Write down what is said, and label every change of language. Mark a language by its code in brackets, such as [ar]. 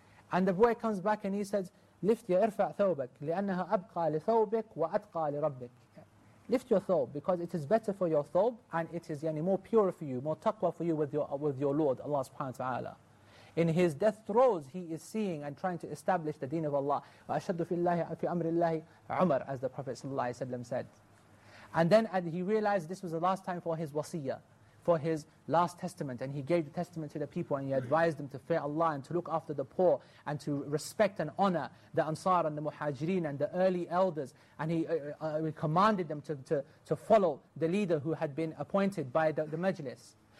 [en] And the boy comes back and he says, "Lift your irfa thobek, [ar] لأنها أبقى لثوبك وأتقى لربك." [en] Lift your thobe, because it is better for your thobe, and it is more pure for you, more taqwa for you with your Lord, Allah subhanahu wa ta'ala. in his death throes, he is seeing and trying to establish the deen of Allah. [ar] وَأَشَدُّ فِي اللَّهِ فِي أَمْرِ اللَّهِ عُمَرْ, [en] as the Prophet ﷺ said. And then he realized this was the last time for his wasiyah, for his last testament. And he gave the testament to the people and he advised them to fear Allah and to look after the poor and to respect and honor the Ansar and the Muhajireen and the early elders. And he commanded them to follow the leader who had been appointed by the majlis.